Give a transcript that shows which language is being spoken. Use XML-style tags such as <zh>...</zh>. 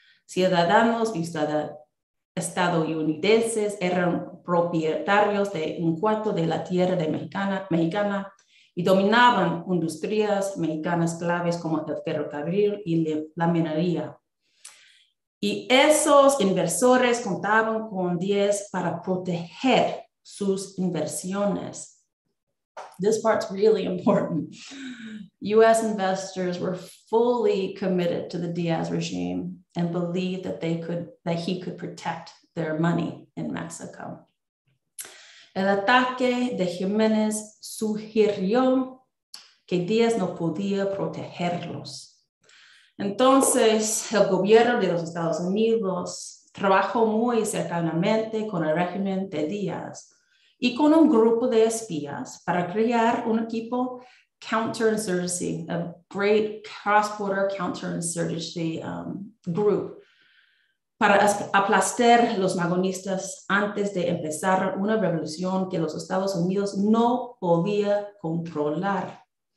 <es>Ciudadanos y estadounidenses eran propietarios de un cuarto de la tierra de mexicana y dominaban industrias mexicanas claves como el ferrocarril y la minería. Y esos inversores contaban con Díaz para proteger sus inversiones.</es> <en>This part's really important. U.S. investors were fully committed to the Díaz regime and believed that he could protect their money in Mexico.</en> <es>El ataque de Jiménez sugirió que Díaz no podía protegerlos. Entonces, el gobierno de los Estados Unidos trabajó muy cercanamente con el régimen de Díaz y con un grupo de espías para crear un equipo</es> <en>counterinsurgency, a great cross-border counterinsurgency group,</en> <es>para aplastar los magonistas antes de empezar una revolución que los Estados Unidos no podía controlar.</es>